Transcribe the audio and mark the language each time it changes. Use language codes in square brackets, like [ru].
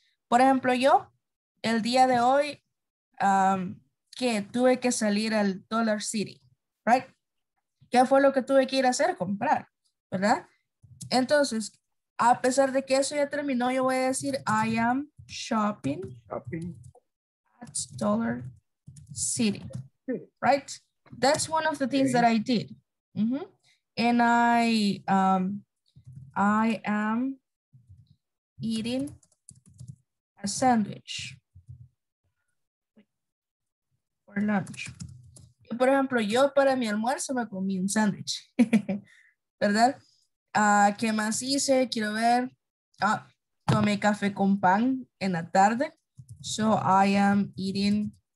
[es] Por ejemplo, yo el día de hoy que tuve que salir al Dollar City, [en] right? [es] ¿Qué fue lo que tuve que ir a hacer? Comprar, ¿verdad? Entonces, a pesar de que eso ya terminó, yo voy a decir [en] I am shopping. Shopping. Dollar City, right? That's one of the things that I did. Mm-hmm. And I am eating a sandwich for lunch. [es] Por ejemplo, yo para mi almuerzo me comí un sandwich, ¿verdad? ¿Qué más hice? Quiero ver. Tomé café con pan en la tarde. [en] So I am eating